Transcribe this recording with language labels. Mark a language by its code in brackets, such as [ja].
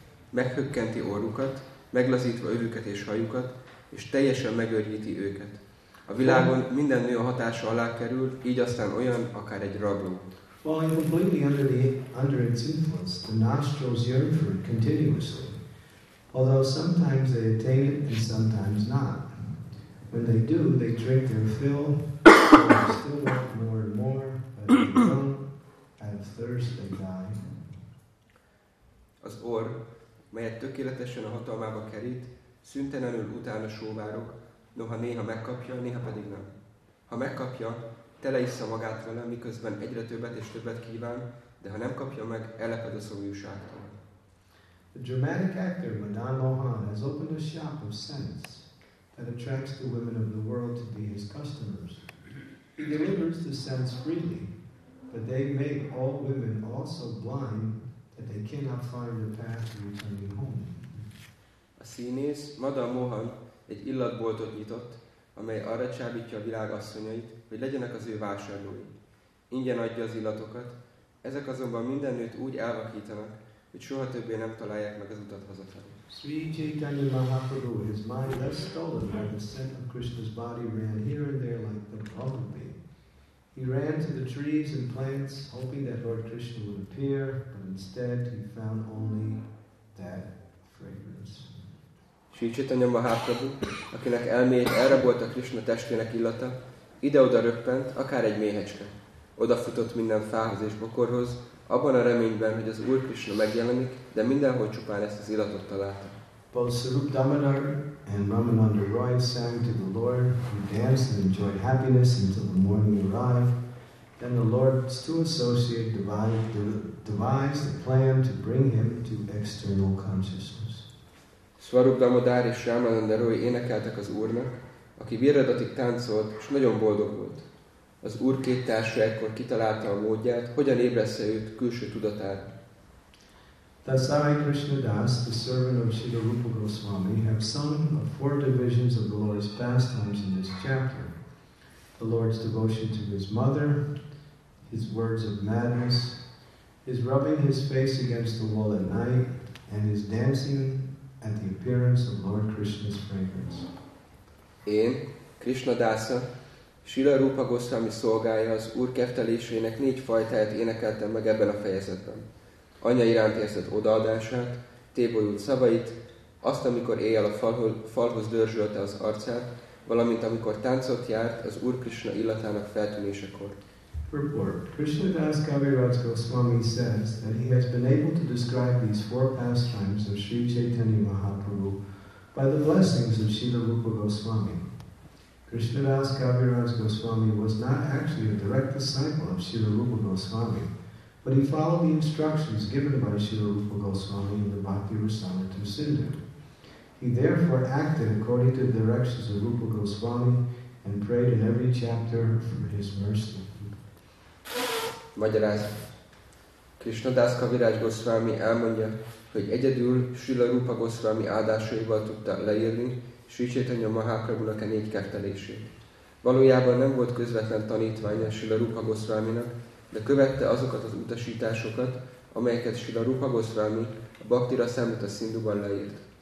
[hu] Meghökkenti orrukat, meglazítva övüket és hajukat, és teljesen megörjíti őket. A világon minden nő a hatása alá kerül, így aztán olyan, akár egy rabló. [en] Falling completely under its influence, the nostrils yearn for it continuously, although sometimes they attain it and sometimes not. When they do, they drink their fill, they still want more and more, but they don't, and thirst they die. [hu] Az orr, melyet tökéletesen a hatalmába kerít, szüntelenül utána sóvárok, noha néha megkapja, néha pedig nem. Ha megkapja, tele issza magát vele, miközben egyre többet és többet kíván, de ha nem kapja meg, eleped a szomjúságtól. [en] The dramatic actor Madan Mohan has opened a shop of scents that attracts the women of the world to be his customers. He delivers the scents freely, but they make all women also blind that they cannot find the path to returning home. [hu] A színész Madan Mohan egy illatboltot nyitott, amely arra csábítja a világ asszonyait, hogy legyenek az ő vásárlói. Ingyen adja az illatokat, ezek azonban minden nőt úgy elvakítanak, hogy soha többé nem találják meg az utat hazafelé. [en] Sri Chaitanya Mahaprabhu, his mind less stolen by the scent of Krishna's body, ran here and there like the bumblebee. He ran to the trees and plants, hoping that Lord Krishna would appear, but instead he found only that fragrance. [hu] Sri Chaitanya Mahaprabhu, akinek elméjét elrabolt a Krishna testének illata, ide-oda röppent, akár egy méhecske. Odafutott minden fához és bokorhoz, abban a reményben, hogy az Úr Krishna megjelenik, de mindenhol csupán ezt az illatot találta. [en] Both Sarup Damodar and Ramananda Roy sang to the Lord, who danced and enjoyed happiness until the morning arrived. Then the Lord's two associates devised a plan to bring him to external consciousness. [hu] Sarup Damodar és Ramananda Roy énekeltek az Úrnak, aki virradatig táncolt, és nagyon boldog volt. Az Úr két társa ekkor kitalálta a módját, hogyan ébreszte őt külső tudatára. [en] Dasari Krishna Das, the servant of Sri Rupa Goswami, have sung of four divisions of the Lord's pastimes in this chapter. The Lord's devotion to his mother, his words of madness, his rubbing his face against the wall at night, and his dancing at the appearance of Lord Krishna's fragrance. [hu] Én, Krishna Dasa, Srila Rupa Goszvámi szolgája az Úr keftelésének 4 fajtáját énekelte meg ebben a fejezetben. Anya iránt érzett odaadását, tébolyult szavait, azt, amikor éjjel a falhoz dörzsölte az arcát, valamint amikor táncot járt az Úr Krishna illatának feltűnésekor. [en] Report. Krishnadas Kaviraj Goswami says that he has been able to describe these 4 pastimes of Sri Chaitanya Mahaprabhu by the blessings of Srila Rupa Goswami. Krishnadas Kaviraj Goswami was not actually a direct disciple of Srila Rupa Goswami, but he followed the instructions given by Srila Rupa Goswami in the Bhakti Rasamrita Sindhu. He therefore acted according to the directions of Rupa Goswami and prayed in every chapter for his mercy. [hu] Magyaráz. Krishnadas Kaviraj Goswami elmondja, hogy egyedül Srila Rupa Goswami áldásaival tudta leírni Sri Chaitanya Mahaprabhunak 4 keftelését. Valójában nem volt közvetlen tanítványa Srila Rupa Goswaminak, de követte azokat az utasításokat, amelyeket Srila Rupa Goswami a Bhakti Rasamrita Sindhuban leírt.